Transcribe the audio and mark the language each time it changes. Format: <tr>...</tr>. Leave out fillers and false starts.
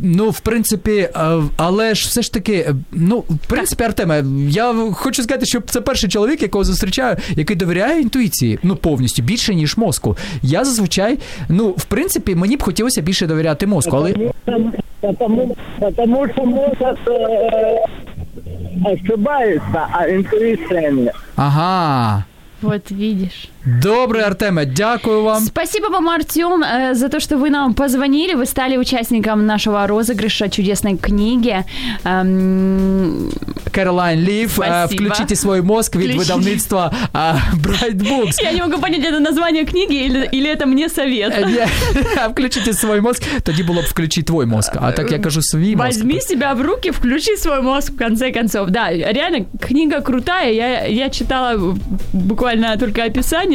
<uk>В принципі, але ж все ж таки, в принципі, Артеме, я хочу сказати, що це перший чоловік, якого зустрічаю, який довіряє інтуїції, повністю, більше, ніж мозку. Я зазвичай, в принципі, мені б хотілося більше довіряти мозку, але... Тому що мозок ошибається, а інтуїція не. Ага.</uk> <ru>Вот видишь.</ru> <uk>Добрый, Артеме, дякую вам.</uk> <ru>Спасибо вам, Артем, за то, что вы нам позвонили. Вы стали участником нашего розыгрыша чудесной книги.</ru> <en>Caroline Leaf.</en> <ru>Включите свой мозг, ведь выдавництво Bright Books. Я не могу понять, это название книги или это мне совет? Включите свой мозг, тогда было бы включить твой мозг. А так я кажу свой мозг. Возьми себя в руки, включи свой мозг в конце концов. Да, реально, книга крутая. Я читала буквально только описание.</ru>